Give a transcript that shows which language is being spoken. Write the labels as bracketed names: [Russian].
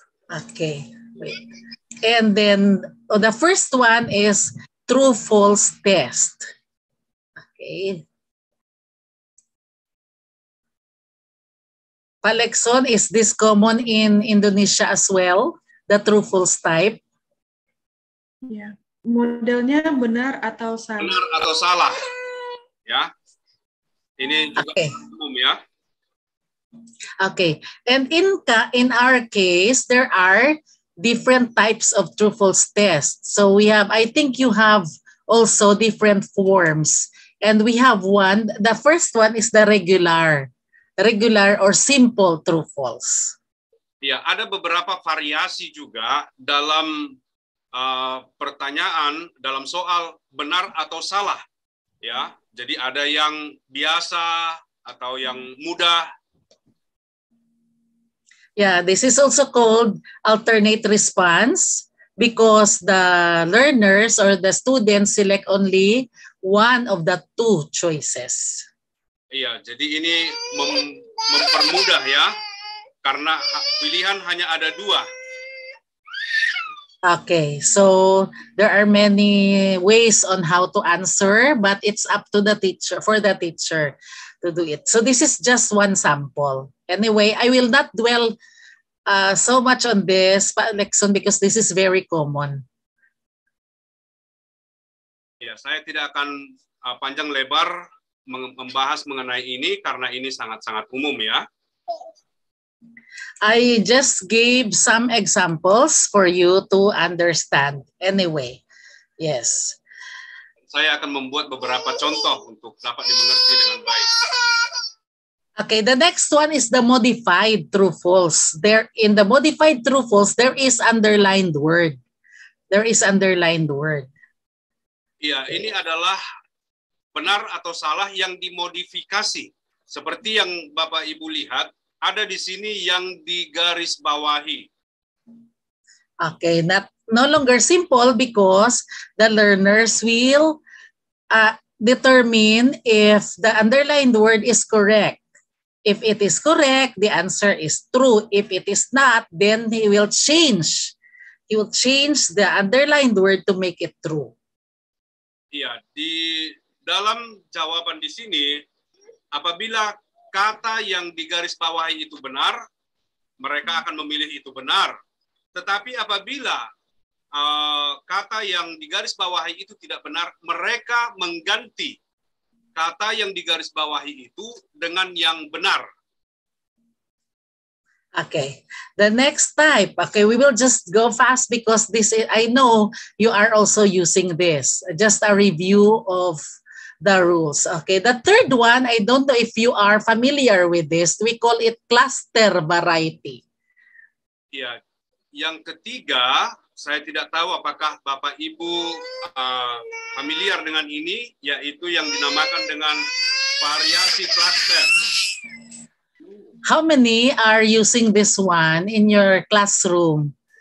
[English] Okay. And then the first one is true false test. Okay. Palexon, is this common in Indonesia as well? The true false type? Yeah. [Indonesian] Modelnya benar atau salah? Benar atau salah? Ya. Yeah. Ini juga okay. Umum ya. [English] Okay. And in our case, there are different types of true false tests. So we have, I think you have also different forms. And we have one, the first one is the regular or simple true false. [Indonesian] Ya, ada beberapa variasi juga dalam pertanyaan dalam soal benar atau salah. Ya. Jadi ada yang biasa atau yang mudah. [English] Yeah, this is also called alternate response because the learners or the students select only one of the two choices. [Indonesian] Iya, jadi ini mempermudah ya, karena pilihan hanya ada dua. [English] Okay, so there are many ways on how to answer, but it's up to the teacher, for the teacher to do it. So this is just one sample. Anyway, I will not dwell so much on this, Pak Lexon, because this is very common. [Indonesian] Ya, saya tidak akan panjang lebar membahas mengenai ini, karena ini sangat-sangat umum ya. [English] I just gave some examples for you to understand. Anyway, yes. [Indonesian] Saya akan membuat beberapa contoh untuk dapat dimengerti dengan baik. [English] Okay, the next one is the modified true false. There in the modified true false, there is underlined word. There is underlined word. [Indonesian] Iya, okay. Ini adalah benar atau salah yang dimodifikasi. Seperti yang Bapak Ibu lihat, ada di sini yang digaris bawahi. [English] Okay, no longer simple because the learners will determine if the underlined word is correct. If it is correct, the answer is true. If it is not, then he will change. He will change the underlined word to make it true. [Indonesian] Iya, di dalam jawaban di sini, apabila kata yang digaris bawahi itu benar, mereka akan memilih itu benar. Tetapi apabila kata yang digaris bawahi itu tidak benar, mereka mengganti kata yang digaris bawahi itu dengan yang benar. [English] Okay, the next type. Okay, we will just go fast because this is, I know you are also using this. Just a review of the rules. Okay, the third one, I don't know if you are familiar with this. We call it cluster variety. Yeah. [Indonesian] Yang ketiga, saya tidak tahu apakah Bapak Ibu familiar dengan ini, yaitu yang dinamakan dengan variasi cluster. [English] How many are using this one in your classroom?